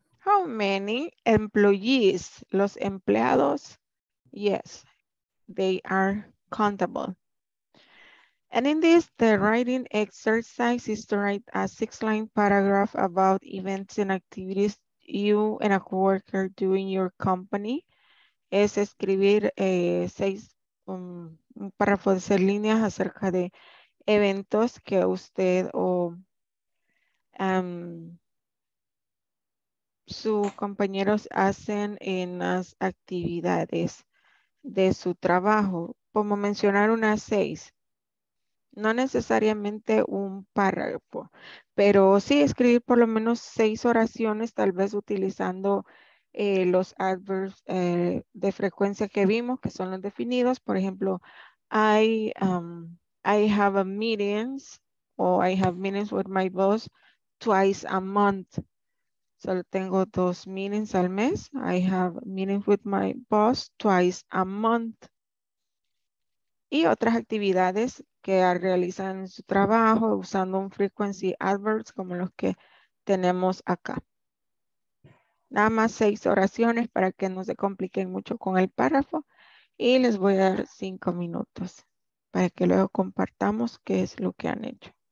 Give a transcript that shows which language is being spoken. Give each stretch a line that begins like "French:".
English: How many employees?
Spanish: Los empleados.
English: Yes, they are countable. And in this, the writing exercise is to write a 6-line paragraph about events and activities you and a coworker do in your company.
Spanish: Es escribir un párrafo de 6 líneas acerca de eventos que usted o sus compañeros hacen en las actividades de su trabajo, como mencionar unas 6, no necesariamente un párrafo, pero sí escribir por lo menos 6 oraciones, tal vez utilizando los adverbs de frecuencia que vimos, que son los definidos, por ejemplo,
English: I have a meetings,
Spanish: o
English: I have meetings with my boss twice a month.
Spanish: Solo tengo 2 meetings al mes.
English: I have meetings with my boss twice a month.
Spanish: Y otras actividades que realizan en su trabajo usando un frequency adverbs como los que tenemos acá. Nada más 6 oraciones para que no se compliquen mucho con el párrafo. Y les voy a dar 5 minutos para que luego compartamos qué es lo que han hecho.